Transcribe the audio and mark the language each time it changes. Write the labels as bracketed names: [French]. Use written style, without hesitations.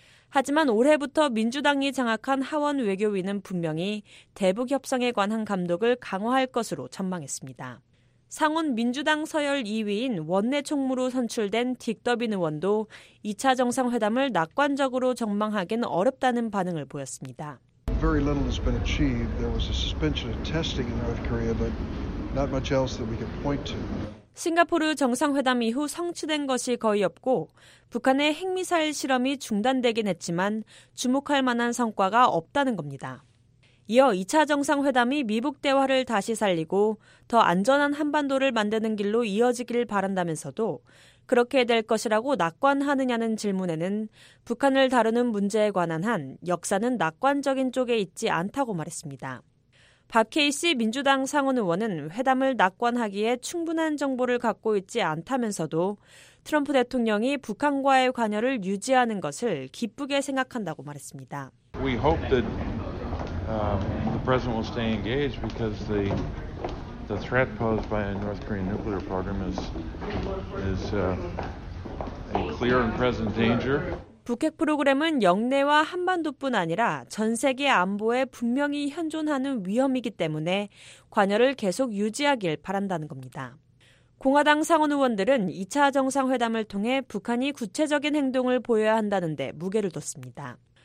[Korean] 하지만 올해부터 민주당이 장악한 하원 외교위는 분명히 대북 협상에 관한 감독을 강화할 것으로 전망했습니다. 상원 민주당 서열 2위인 원내 총무로 선출된 딕 더빈 의원도 2차 정상회담을 낙관적으로 전망하긴 어렵다는 반응을 보였습니다. [English] Very little has been achieved. There was a suspension of testing in North Korea, but not much else that we can point to. [Korean] 싱가포르 정상회담 이후 성취된 것이 거의 없고 북한의 핵미사일 실험이 중단되긴 했지만 주목할 만한 성과가 없다는 겁니다. 이어 2차 정상회담이 미북 대화를 다시 살리고 더 안전한 한반도를 만드는 길로 이어지길 바란다면서도 그렇게 될 것이라고 낙관하느냐는 질문에는 북한을 다루는 문제에 관한 한 역사는 낙관적인 쪽에 있지 않다고 말했습니다. 밥 케이시 민주당 상원 의원은 회담을 낙관하기에 충분한 정보를 갖고 있지 않다면서도 트럼프 대통령이 북한과의 관여를 유지하는 것을 기쁘게 생각한다고 말했습니다. [English] We hope that the president will stay engaged because the threat posed by a North Korean nuclear program is a clear and present danger. [Korean] 북핵 프로그램은 영내와 한반도뿐 아니라 전 세계 안보에 분명히 현존하는 위험이기 때문에 관여를 계속 유지하길 바란다는 겁니다. 공화당 상원 의원들은 2차 정상회담을 통해 북한이 구체적인 행동을 보여야 한다는 데 무게를 뒀습니다.